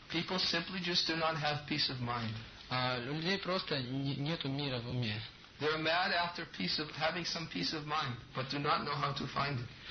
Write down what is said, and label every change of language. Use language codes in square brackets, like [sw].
[en] People simply just do not have peace of mind. [ru] У людей просто нету мира в уме. [en] They're mad after peace of having some peace of mind, but do not know how to find it.